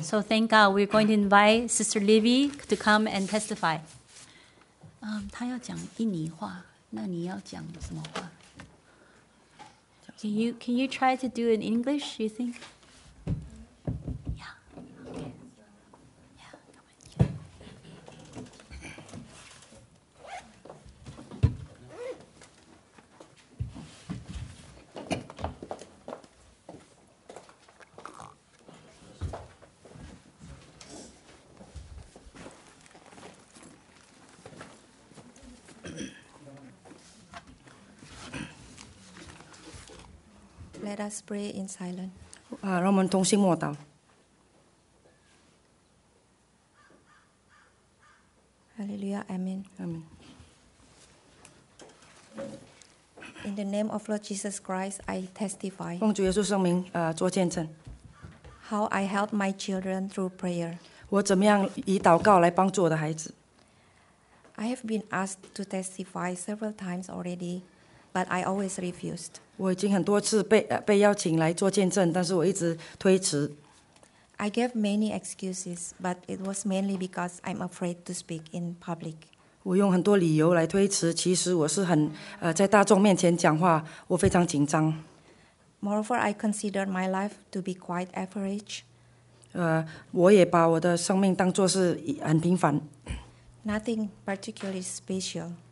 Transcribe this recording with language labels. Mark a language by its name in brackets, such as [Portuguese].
[English] So thank God, we're going to invite Sister Livy to come and testify. [Chinese] 她要讲印尼话，那你要讲什么话？ [English] Can you try to do it in English, you think? Yeah. Yeah, come on. Let us pray in silence. [Chinese] 让我们同心默祷。 [English] Hallelujah, Amen. Amen. In the name of Lord Jesus Christ, I testify. [Chinese] 奉主耶稣圣名，做见证。 [English] How I help my children through prayer. [Chinese] 我怎么样以祷告来帮助我的孩子 [English] ？I have been asked to testify several times already, but I always refused. [Chinese] 我已经很多次 被邀请来做见证，但是我一直推迟。 [English] I gave many excuses, but it was mainly because I'm afraid to speak in public. [Chinese] 我用很多理由来推迟，其实我是很在大众面前讲话，我非常紧张。 [English] Moreover, I considered my life to be quite average. [Chinese] 我也把我的生命当作是很平凡。 [English] Nothing particularly special.